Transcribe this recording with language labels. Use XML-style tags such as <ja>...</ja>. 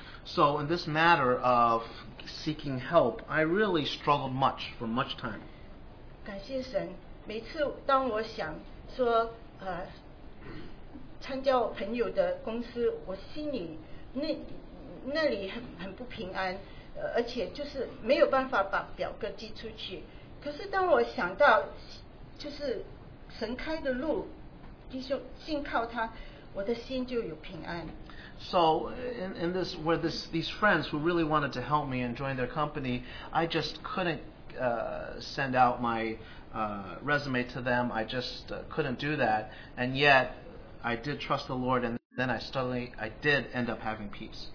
<en>So in this matter of seeking help, I really struggled much for much time.</en> <zh>感谢神，每次当我想说参加我朋友的公司，我心里那里很不平安，而且就是没有办法把表格寄出去。可是当我想到就是神开的路，弟兄信靠他，我的心就有平安。</zh> <en>So in this, where this, these friends who really wanted to help me and join their company, I just couldn't send out my resume to them. I just couldn't do that. And yet, I did trust the Lord, and then I did end up having peace.</en>